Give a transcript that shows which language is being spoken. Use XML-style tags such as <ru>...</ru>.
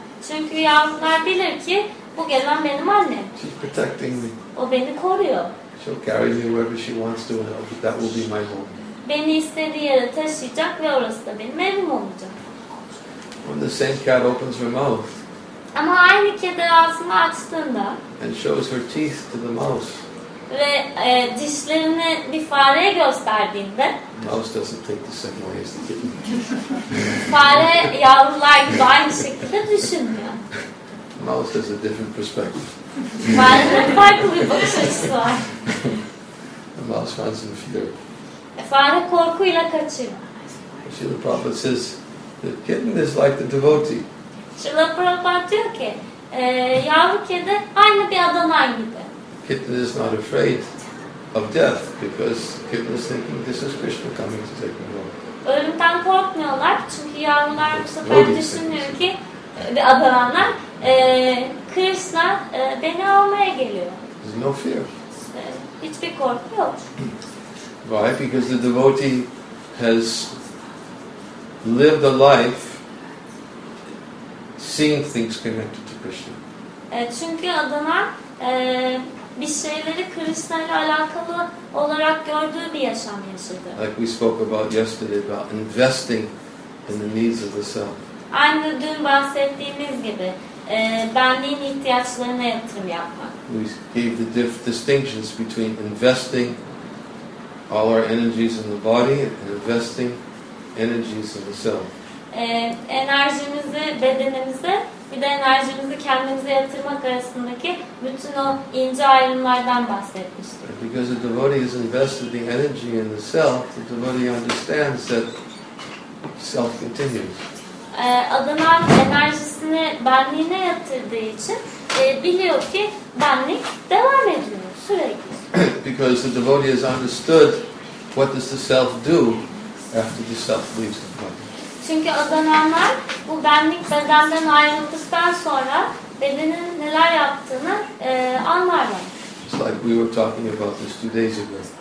<tr>Çünkü yavrular bilir ki bu gelen benim annem.</tr> <en>She's protecting me.</en> <tr>O beni koruyor.</tr> <en>She'll carry me wherever she wants to, and that will be my home.</en> <tr>Beni istediği yere taşıyacak ve orası da benim evim olacak.</tr> <en>When the same cat opens her mouth.</en> <tr>Ama aynı kedi ağzını açtığında.</tr> <en>And shows her teeth to the mouse.</en> <tr>Ve dişlerini bir fareye gösterdiğinde.</tr> <en>Mouse doesn't take the same way as the kitten.</en> <tr>fare yavrular gibi aynı şekilde düşünmüyor.</tr> <en>Mouse has a different perspective.</en> <tr>Farenin farklı bir bakış açısı var.</tr> <en>The mouse runs in fear.</en> <tr>Fare korkuyla kaçıyor.</tr> <en>Srila Prabhupada says that kitten is like the devotee.</en> <tr>Srila Prabhupada diyor ki, yavru kedi aynı bir adanay gibi.</tr> <en>Kitten is not afraid of death because kitten is thinking this is Krishna coming to take me home.</en> <tr>Ölümden korkmuyorlar çünkü yavrular bu sefer düşünmüyor ki bir adananlar Krishna beni almaya geliyor.</tr> <en>There's no fear.</en> <tr>Hiçbir korku yok.</tr> <en>Why? Because the devotee has lived a life seeing things connected to Krishna.</en> <tr>Çünkü adanan bir şeyleri Krishna ile alakalı olarak gördüğü bir yaşam yaşadı.</tr> <en>Like we spoke about yesterday about investing in the needs of the self.</en> <tr>Aynı dün bahsettiğimiz gibi benliğin ihtiyaçlarına yatırım yapmak.</tr> <en>We gave the distinctions between investing all our energies in the body and investing energies in the self.</en> <tr>Enerjimizi bedenimize, bir de enerjimizi kendimize yatırmak arasındaki bütün o ince ayrımlardan bahsetmiştik.</tr> <en>Because the devotee has invested the energy in the self, the devotee understands that self continues.</en> <tr>Adanan enerjisini benliğine yatırdığı için biliyor ki benlik devam ediyor sürekli.</tr> <en>Because the devotee has understood what does the self do after the self leaves the body.</en> <tr>Çünkü adananlar bu benlik bedenden ayrıldıktan sonra bedenin neler yaptığını anlarlar.</tr> <en>It's like we were talking about this 2 days ago.</en>